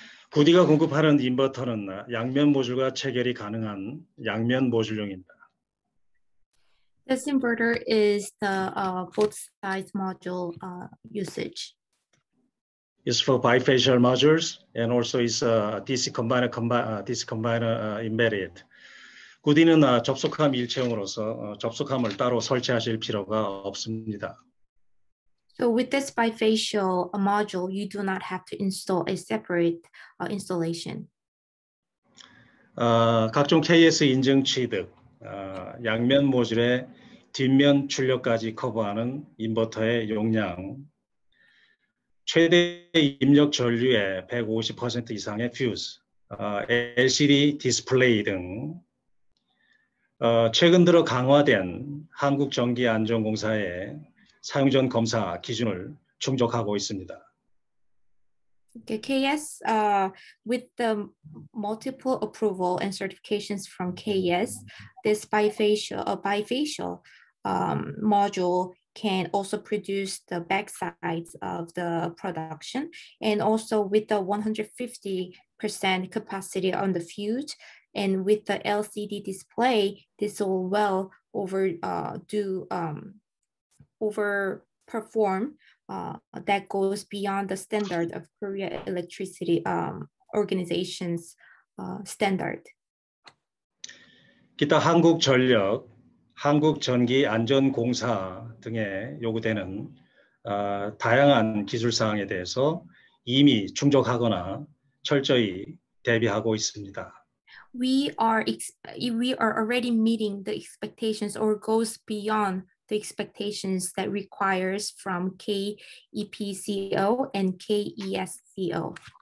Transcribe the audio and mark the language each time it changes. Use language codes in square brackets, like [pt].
[ko] 구디가 공급하는 인버터는 양면 모듈과 체결이 가능한 양면 모듈용입니다. [en] This inverter is the both sides module usage. It's for bifacial modules and also is a DC combiner DC combiner embedded. [ko] 구디는 접속함 일체형으로서 접속함을 따로 설치하실 필요가 없습니다. [en] So with this bifacial module, you do not have to install a separate installation. [ko] 각종 KS 인증 취득, 양면 모듈의 뒷면 출력까지 커버하는 인버터의 용량, 최대 입력 전류의 150% 이상의 퓨즈, LCD 디스플레이 등 최근 들어 강화된 한국전기안전공사의 사용 전 검사 기준을 충족하고 있습니다. [en] Okay, KS, with the multiple approval and certifications from KS, this bifacial module can also produce the backsides of the production, and also with the 150% capacity on the fuse, and with the LCD display, this will well over do. Overperform that goes beyond the standard of Korea Electricity Organization's standard. [ko] 기타 한국전력, 한국전기안전공사 등에 요구되는 다양한 기술사항에 대해서 이미 충족하거나 철저히 대비하고 있습니다. [en] We are already meeting the expectations or goes beyond the expectations that requires from KEPCO and KESCO.